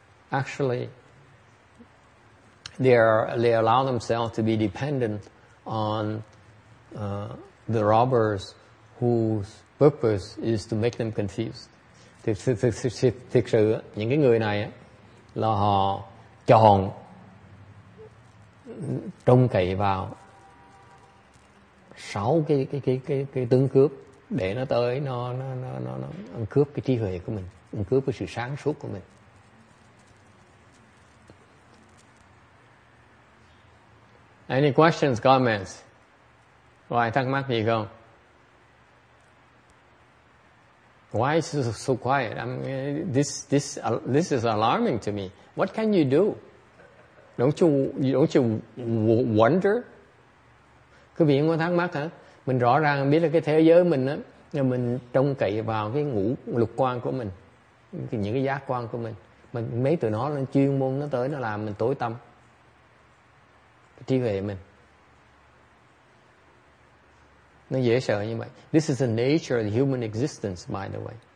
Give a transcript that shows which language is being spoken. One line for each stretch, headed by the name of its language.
English: Actually, they allow themselves to be dependent on the robbers whose purpose is to make them confused.
Vietnamese: Thực sự những cái người này là họ chọn trông cậy vào sáu cái tướng cướp để nó tới nó ăn cướp cái trí huệ của mình, ăn cướp cái sự sáng suốt của mình.
English: Any questions, comments?
Vietnamese: Có ai thắc mắc gì không?
English: Why is it so quiet? I mean, this is alarming to me. What can you do? Don't you wonder?
Vietnamese: Quý vị có thắc mắc hả? Mình rõ ràng biết là cái thế giới mình á, mình trông cậy vào cái ngũ lục quan của mình, những cái giác quan của mình. Mình mấy tụi nó chuyên môn nó tới nó làm mình tối tâm, trí huệ mình. Nó dễ sợ như vậy.
English: This is the nature of the human existence, by the way.